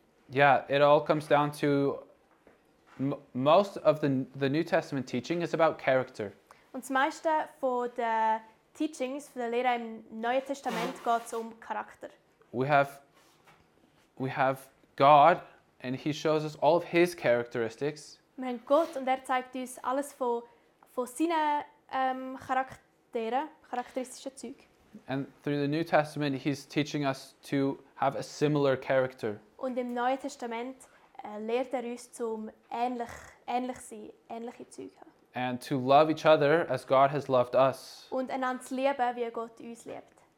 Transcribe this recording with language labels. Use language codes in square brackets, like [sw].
[en] Yeah, it all comes down to most of the New Testament teaching is about character. [de] Und das meiste von den Teachings, von der Lehre im Neuen Testament, geht es Charakter. [en] We have God, and he shows us all of his characteristics. [de] Wir haben Gott, und er zeigt uns alles von seinen charakteristischen Zeugen. [en] And through the New Testament, he's teaching us to have a similar character. [de] Und im Neuen Testament lehrt er uns, zum ähnlich sein, ähnliche Züge haben. [en] And to love each other as God has loved us. [de] Und einander zu lieben, wie Gott uns liebt.